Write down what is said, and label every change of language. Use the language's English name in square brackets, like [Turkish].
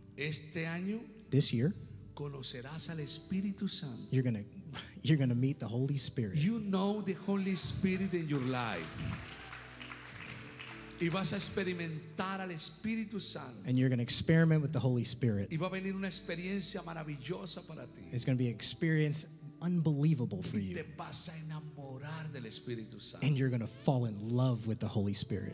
[Spanish] Este año, [English] this year, [Spanish] conocerás al Espíritu Santo. [English] You're gonna meet the Holy Spirit. You know the Holy Spirit in your life. [Spanish] Y vas a experimentar al Espíritu Santo. [English] And you're going to experiment with the Holy Spirit. [Spanish] Y va a venir una experiencia maravillosa para ti. [English] It's going to be an experience unbelievable for [Spanish] y [English] you. [Spanish] Te vas a enamorar del Espíritu Santo. [English] And you're going to fall in love with the Holy Spirit.